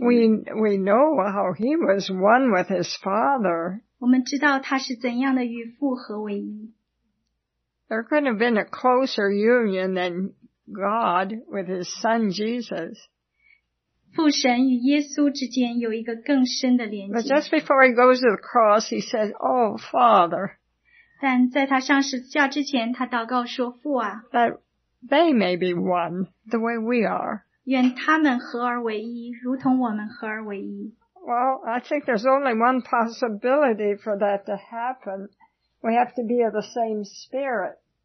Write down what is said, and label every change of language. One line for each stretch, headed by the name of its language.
English: We know how he was one with his Father.
Chinese: 我们知道他是怎样的与父合为一。
English: There couldn't have been a closer union than God with His Son Jesus.
Chinese: 父神与耶稣之间有一个更深的连接。
English: But just before He goes to the cross, He says, "Oh Father."
Chinese: 但在他上十字架之前，他祷告说：“父啊。”
English: That they may be one the way we are.
Chinese: 愿他们合而为一，如同我们合而为一。
English: Well, I think there's only one possibility for that to happen. We have to be of the same spirit.